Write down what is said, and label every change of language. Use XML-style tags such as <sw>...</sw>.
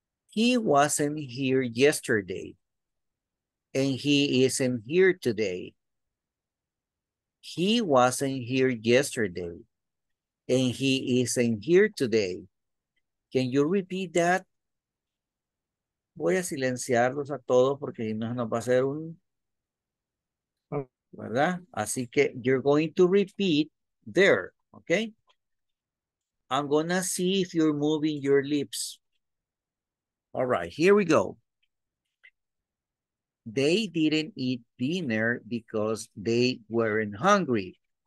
<en>he wasn't here yesterday, and he isn't here today. He wasn't here yesterday, and he isn't here today. Can you repeat that?</en> <es>Voy a silenciarlos a todos porque si no nos va a hacer un... ¿Verdad? Así que</es> <en>you're going to repeat there, okay? I'm gonna see if you're moving your lips. All right, here we go. They didn't eat dinner because they weren't hungry.</en>